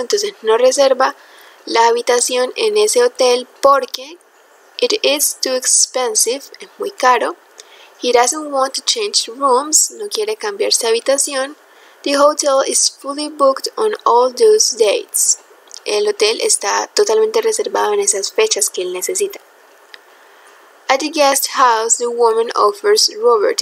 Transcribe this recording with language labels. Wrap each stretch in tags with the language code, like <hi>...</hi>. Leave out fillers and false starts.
<es>Entonces, no reserva la habitación en ese hotel porque</es> <en>it is too expensive,</en> <es>es muy caro.</es> <en>He doesn't want to change rooms,</en> <es>no quiere cambiarse habitación.</es> <en>The hotel is fully booked on all those dates.</en> <es>El hotel está totalmente reservado en esas fechas que él necesita.</es> <en>At the guest house, the woman offers Robert.</en>